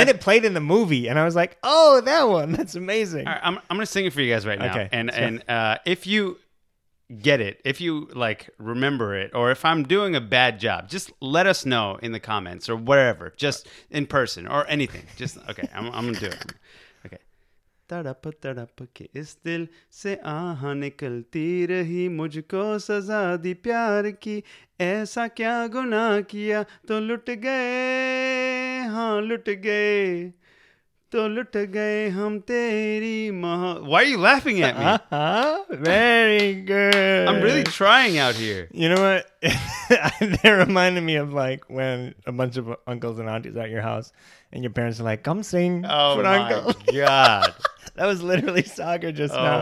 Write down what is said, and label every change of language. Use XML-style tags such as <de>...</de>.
<en>Then it played in the movie, and I was like, oh, that one. That's amazing. All right, I'm going to sing it for you guys right now. Okay, if you get it, if you like remember it, or if I'm doing a bad job, just let us know in the comments or wherever, just in person or anything. Just, okay, I'm going to do it.</en> <hi>तड़प तड़प के इस दिल से आह निकलती रही मुझको सजा दी प्यार की ऐसा क्या गुनाह किया तो लुट गए हाँ लुट गए तो लुट गए हम तेरी महा.</hi> <en>Why are you laughing at me? Very good. I'm really trying out here. You know what? They reminded me of like when a bunch of uncles and aunties at your house and your parents are like, come sing. Oh, my uncle. God. That was literally soccer just now.</en>